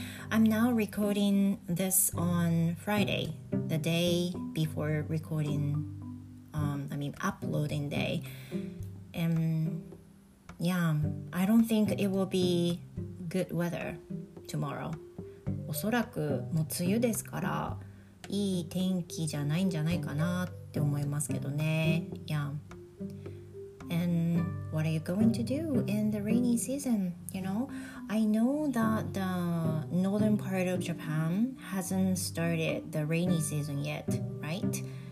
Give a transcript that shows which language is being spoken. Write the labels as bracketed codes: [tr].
[en] I'm now recording this on Friday, the day before recording, uploading day. Yeah, I don't think it will be good weather tomorrow. [ja] おそらくもう梅雨ですからいい天気じゃないんじゃないかなって思いますけどね。 [en] Yeah. And what are you going to do in the rainy season? You know, I know that the northern part of Japan hasn't started the rainy season yet, right?